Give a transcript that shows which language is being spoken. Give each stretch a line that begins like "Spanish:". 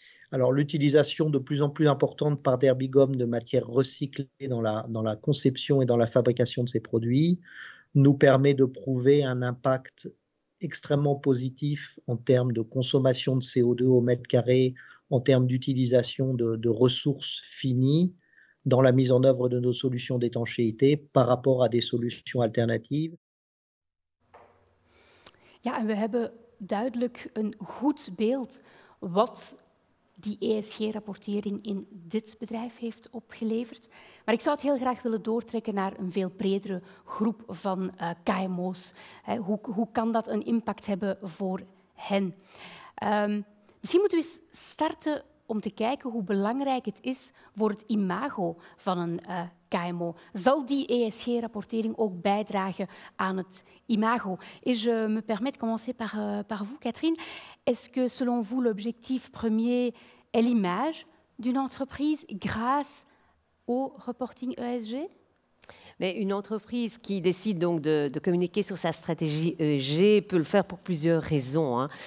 French: Alors, l'utilisation de plus en plus importante par Derbigum de matières recyclées dans la conception et dans la fabrication de ces produits nous permet de prouver un impact extrêmement positif en termes de consommation de CO2 au mètre carré, en termes d'utilisation de ressources finies dans la mise en œuvre de nos solutions d'étanchéité par rapport à des solutions alternatives.
Dutch: Ja, en we hebben duidelijk een goed beeld wat die ESG-rapportering in dit bedrijf heeft opgeleverd. Maar ik zou het heel graag willen doortrekken naar een veel bredere groep van KMO's. Hoe kan dat een impact hebben voor hen? Misschien moeten we eens starten om te kijken hoe belangrijk het is voor het imago van een KMO. Zal die ESG-rapportering ook bijdragen aan het imago?
French: Et je me permets de commencer par vous, Catherine. Est-ce que, selon vous, l'objectif premier est l'image d'une entreprise grâce au reporting ESG? Mais une entreprise qui décide donc de communiquer sur sa stratégie ESG peut le faire pour plusieurs raisons. Hein.